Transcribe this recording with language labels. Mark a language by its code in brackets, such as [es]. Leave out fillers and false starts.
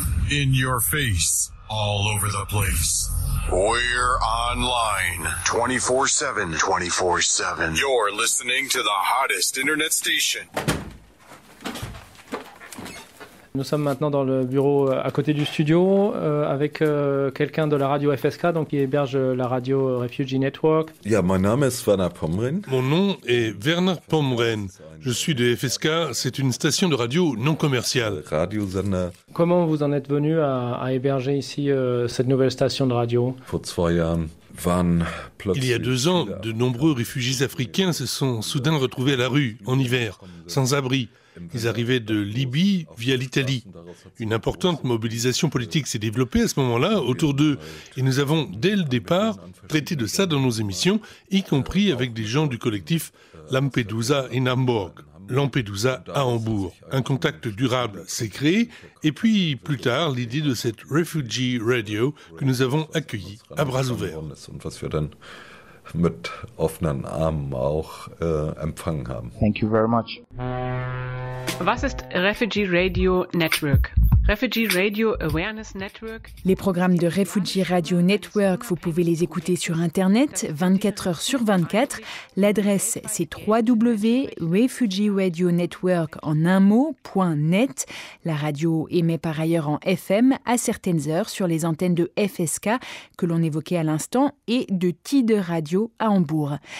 [en] In your face, all over the place. We're online 24/7. 24/7. You're listening to the hottest internet station. [fr] Nous sommes maintenant dans le bureau à côté du studio avec quelqu'un de la radio FSK, donc qui héberge la radio Refugee Network. Mon nom est Werner Pomren. Je suis de FSK, c'est une station de radio non commerciale. Comment vous en êtes venu à héberger ici cette nouvelle station de radio ? Il y a deux ans, de nombreux réfugiés africains se sont soudain retrouvés à la rue, en hiver, sans abri. Ils arrivaient de Libye via l'Italie. Une importante mobilisation politique s'est développée à ce moment-là autour d'eux. Et nous avons, dès le départ, traité de ça dans nos émissions, y compris avec des gens du collectif Lampedusa in Hamburg, Lampedusa à Hambourg. Un contact durable s'est créé. Et puis, plus tard, l'idée de cette Refugee Radio que nous avons accueillie à bras ouverts. [de] Mit offenen Armen auch empfangen haben. [en] Thank you very much. [de] Was ist Refugee Radio Network? [en] Refugee Radio Awareness Network. [fr] Les programmes de Refugee Radio Network, vous pouvez les écouter sur Internet 24 heures sur 24. L'adresse, c'est www.refugeeradionetwork.net. La radio émet par ailleurs en FM à certaines heures sur les antennes de FSK que l'on évoquait à l'instant et de Tide Radio à Hambourg.